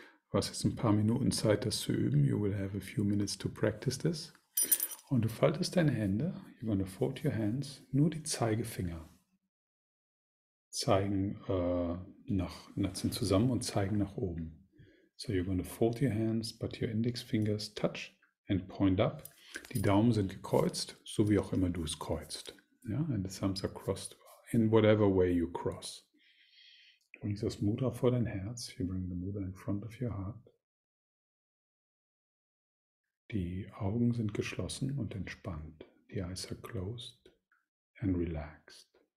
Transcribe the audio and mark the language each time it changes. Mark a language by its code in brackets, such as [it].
[de] Du hast jetzt ein paar Minuten Zeit, das zu üben. [en] You will have a few minutes to practice this. [de] Und du faltest deine Hände. [en] You're going to fold your hands. [de] Nur die Zeigefinger zeigen sind zusammen und zeigen nach oben. [en] So you're going to fold your hands, but your index fingers touch and point up. [de] Die Daumen sind gekreuzt, so wie auch immer du es kreuzt. [en] Yeah? And the thumbs are crossed in whatever way you cross. [de] Du bringst das Mudra vor dein Herz. [en] You bring the Mudra in front of your heart. [de] Die Augen sind geschlossen und entspannt. [en] The eyes are closed and relaxed.